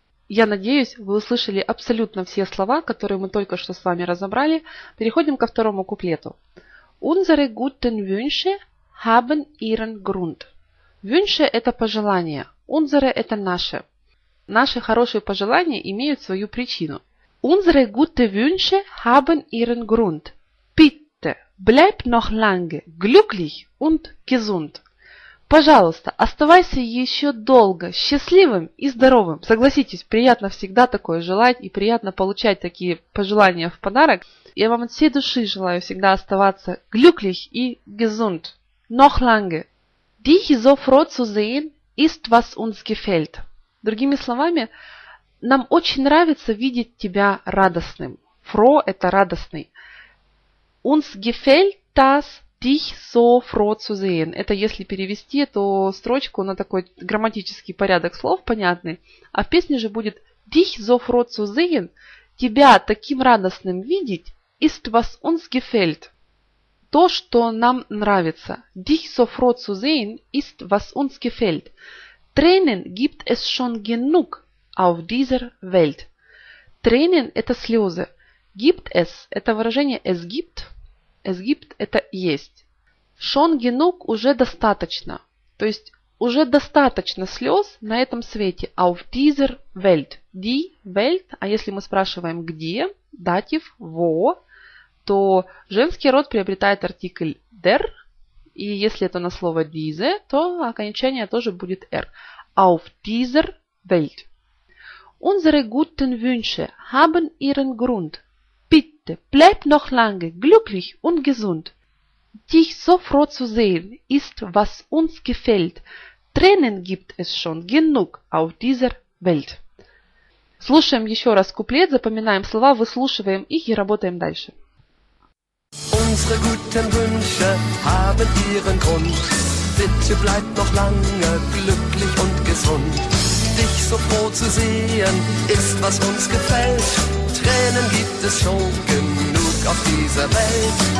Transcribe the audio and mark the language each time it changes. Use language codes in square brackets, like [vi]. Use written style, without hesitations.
[ru] Я надеюсь, вы услышали абсолютно все слова, которые мы только что с вами разобрали. Переходим ко второму куплету. [de] Unsere guten Wünsche haben ihren Grund. [ru] Wünsche – это пожелание. Unsere – это наше. Наши хорошие пожелания имеют свою причину. [de] Unsere gute Wünsche haben ihren Grund. Bitte, bleib noch lange glücklich und gesund. [ru] Пожалуйста, оставайся еще долго счастливым и здоровым. Согласитесь, приятно всегда такое желать и приятно получать такие пожелания в подарок. Я вам от всей души желаю всегда оставаться glücklich и gesund. [de] Noch lange. Dich so froh zu sehen ist, was uns gefällt. [ru] Другими словами, нам очень нравится видеть тебя радостным. Фро – это радостный. [de] Uns gefällt das dich so froh zu sehen. [ru] Это если перевести эту строчку на такой грамматический порядок слов, понятный. А в песне же будет [de] dich so froh zu sehen. [ru] Тебя таким радостным видеть [de] ist, was uns gefällt. [ru] То, что нам нравится. [de] Dich so froh zu sehen ist, was uns gefällt. Tränen gibt es schon genug auf dieser Welt. [ru] Tränen – это слезы. [de] Gibt es – [ru] это выражение [de] es gibt. Es gibt [ru] – это есть. [de] Schon genug [ru] – уже достаточно. То есть уже достаточно слез на этом свете. [de] Auf dieser Welt. [ru] Die Welt – а если мы спрашиваем где, датив, wo, то женский род приобретает артикль der. И если это на слово diese, то окончание тоже будет r. [de] Auf dieser Welt. Unsere guten Wünsche haben ihren Grund. Bitte, bleib noch lange glücklich und gesund. Dich so froh zu sehen ist, was uns gefällt. Tränen gibt es schon genug auf dieser Welt. [ru] Слушаем еще раз куплет, запоминаем слова, выслушиваем их и работаем дальше. [de] Unsere guten Wünsche haben ihren Grund. Bitte bleib noch lange glücklich und gesund. Dich so froh zu sehen ist, was uns gefällt. Tränen gibt es schon genug auf dieser Welt.